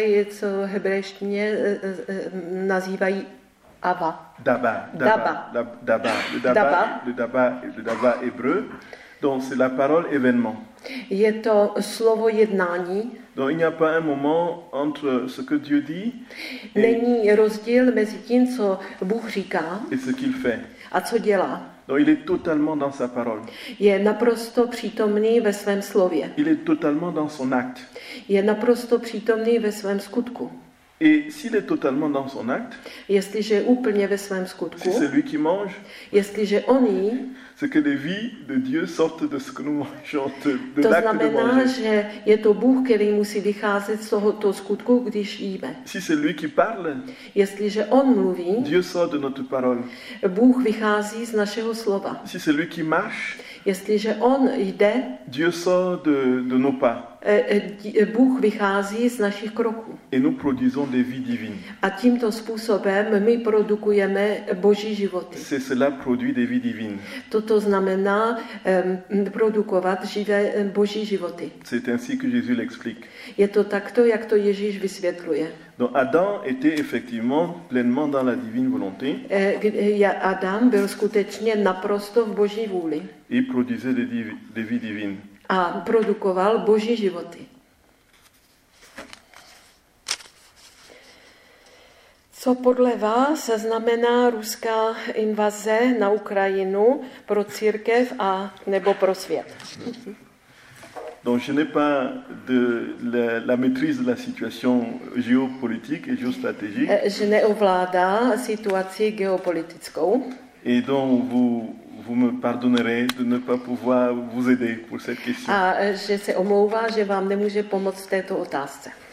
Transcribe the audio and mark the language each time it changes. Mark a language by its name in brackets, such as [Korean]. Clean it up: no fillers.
[Czech] Co hebrejštině nazývají Ava. Daba hebreu. [French] Donc c'est la parole événement. [Czech] Je to slovo jednání. [French] Donc il n'y a pas un moment entre ce que Dieu dit. [Czech] Není rozdíl mezi tím, co Bůh říká. [French] Et ce qu'il fait. [Czech] A co dělá. [French] Donc il est totalement dans sa parole. [Czech] Je naprosto přítomný ve svém slově. [French] Il est totalement dans son acte. [Czech] Je naprosto přítomný ve svém skutku. [French] Et s'il est totalement dans son acte? [Czech] Jestliže je úplně ve svém skutku. [French] Si c'est lui qui mange? [Czech] Jestliže on jí. [French] C'est que les vies de Dieu sortent de ce que nous mangeons, de l'acte de manger. [Czech] To znamená, že je to Bůh, který musí vycházet z tohoto skutku, když jíme. [French] Si c'est lui qui parle? [Czech] Jestliže on mluví. [French] Dieu sort de notre parole. [Czech] Bůh vychází z našeho slova. [French] Si c'est lui qui marche? [Czech] Jestliže on jde. [French] Dieu sort de nos pas. [Czech] Bůh vychází z našich kroků. [French] Et nous produisons des vies divines. [Czech] A tímto způsobem my produkujeme Boží životy. [French] C'est cela produit des vies divines. [Czech] Toto znamená produkovat živé Boží životy. [French] C'est ainsi que Jésus l'explique. [Czech] Je to takto, jak to Ježíš vysvětluje. [French] Donc Adam était effectivement pleinement dans la divine volonté. [Czech] Adam byl skutečně naprosto v Boží vůli. [French] Il produisait des vies divines. [Czech] A produkoval Boží životy. Co podle vás znamená ruská invaze na Ukrajinu pro církev a nebo pro svět? [French] Donc je n'ai pas de la maîtrise de la situation géopolitique et géostratégique. [Czech] Je neovládá situaci geopolitickou. [French] Et donc vous me pardonnerez de ne pas pouvoir vous aider pour cette question. [Czech] A že se omlouvá, že vám nemůže pomoct v této otázce.